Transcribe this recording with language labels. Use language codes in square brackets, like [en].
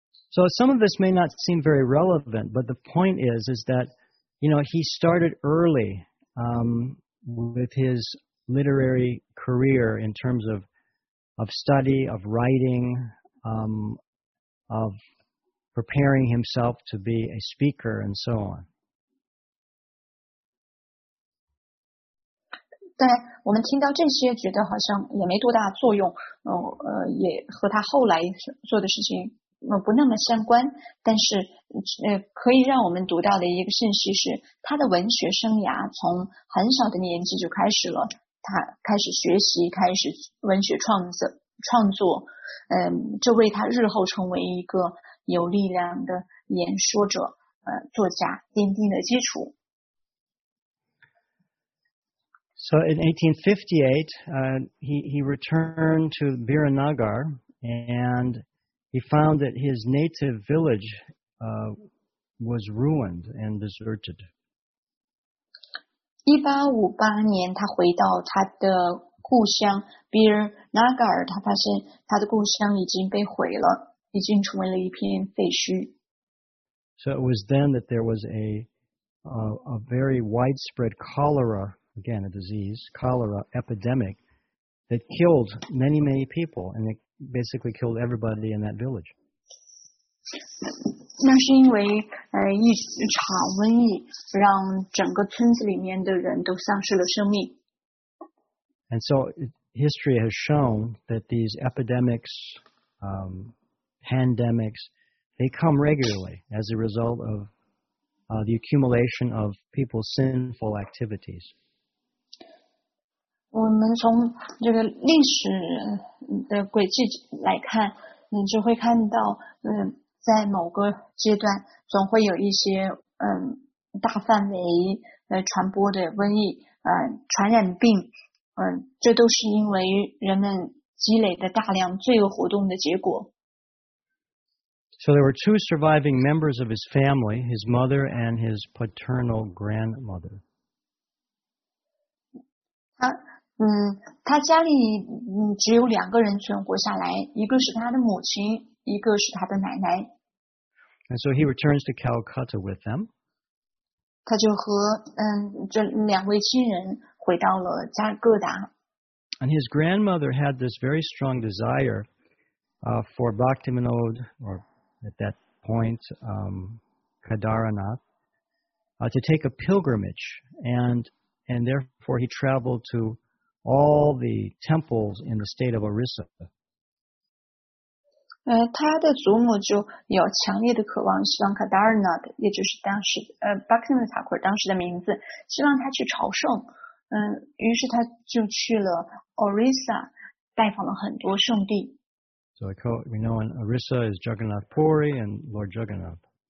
[en] So some of this may not seem very relevant, but the point is that, you know, he started early with his literary career in terms of study, of writing, of preparing himself to be a speaker and so on. [zh] 但我们听到这些觉得好像也没多大作用，也和他后来做的事情不那么相关，但是可以让我们读到的一个信息是，他的文学生涯从很小的年纪就开始了，他开始学习，开始文学创作，这为他日后成为一个有力量的演说者作家奠定了基础。 [en] So in 1858, he returned to Biranagar, and he found that his native village was ruined and deserted. [zh] 1858年，他回到他的故乡 Biranagar， 他发现他的故乡已经被毁了，已经成为了一片废墟。 [en] So it was then that there was a very widespread cholera. Again, a disease, cholera epidemic, that killed many, many people, and it basically killed everybody in that village. [zh] 那是因为一场瘟疫让整个村子里面的人都丧失了生命。 [en] And so history has shown that these epidemics, pandemics, they come regularly as a result of the accumulation of people's sinful activities. [zh] 我们从这个历史的轨迹来看，你就会看到，在某个阶段，总会有一些大范围传播的瘟疫，传染病，这都是因为人们积累的大量罪恶活动的结果。 [en] So there were two surviving members of his family, his mother and his paternal grandmother. [zh] 他家里只有两个人存活下来，一个是他的母亲，一个是他的奶奶。 [en] And so he returns to Calcutta with them. [zh] 他就和这两位亲人回到了加尔各答。 [en] And his grandmother had this very strong desire for Bhaktivinod, or at that point, Kedaranath, to take a pilgrimage and And therefore, he traveled to all the temples in the state of Orissa. [zh] 他的祖母就有强烈的渴望，希望卡达尔纳的，也就是当时Bhakti Thakur当时的名字，希望他去朝圣。于是他就去了 Orissa， 拜访了很多圣地。 [en] So we know in Orissa is Jagannath Puri and Lord Jagannath.